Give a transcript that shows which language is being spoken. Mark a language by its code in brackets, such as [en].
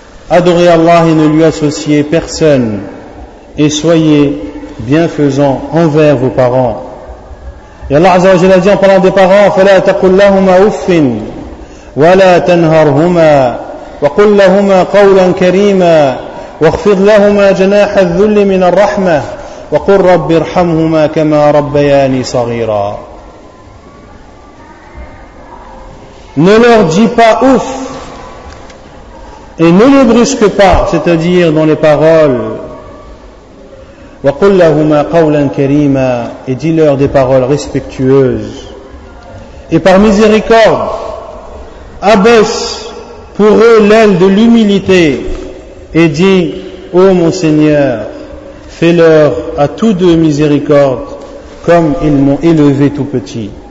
[fr] Adorez Allah et ne lui associez personne. Et soyez bienfaisants envers vos parents. Et Allah Azza wa Jalla dit en parlant des parents, [ar] فَلَا تَقُلْ لَهُمَا أُفٍّ وَلَا تَنْهَرْهُمَا وَقُلْ لَهُمَا قَوْلًا كَرِيمًا واغفر لهما جناح الذل من الرحمة وقل رب ارحمهما كما ربياني صغيرا. [fr] Ne leur dis pas ouf et ne les brusque pas, c'est-à-dire dans les paroles. [ar] وَقُلْ لَهُمَا قَوْلًا كَرِيمًا, [fr] et dis-leur des paroles respectueuses. Et par miséricorde, abaisse pour eux l'aile de l'humilité et dis, ô mon Seigneur, fais-leur à tous deux miséricorde comme ils m'ont élevé tout petit.